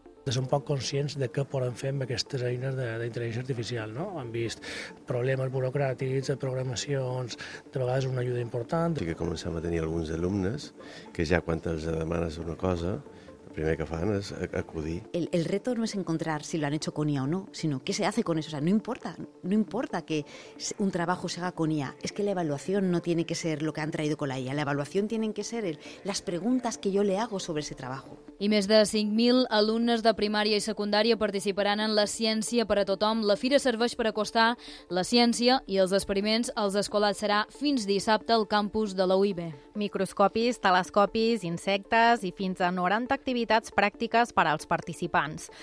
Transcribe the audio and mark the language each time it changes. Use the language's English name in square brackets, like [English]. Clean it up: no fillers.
[Catalan] Som poc conscients de què poden fer amb aquestes eines d'intel·ligència artificial. No? Hem vist problemes burocràtics, de programacions, de vegades una ajuda important. Sí que comencem a tenir alguns alumnes que ja quan els demanes una cosa, el primer que fan és acudir. [Spanish] El reto no es encontrar si lo han hecho con IA o no, sino qué se hace con eso. O sea, no importa que un trabajo se haga con IA, es que la evaluación no tiene que ser lo que han traído con la IA, la evaluación tienen que ser las preguntas que yo le hago sobre ese trabajo. [Catalan] I més de 5.000 alumnes de primària i secundària participaran en la Ciència per a tothom. La fira serveix per acostar la ciència i els experiments als escolars. Serà fins dissabte al campus de la UIB. Microscopis, telescopis, insectes i fins a 90 activitats pràctiques per als participants.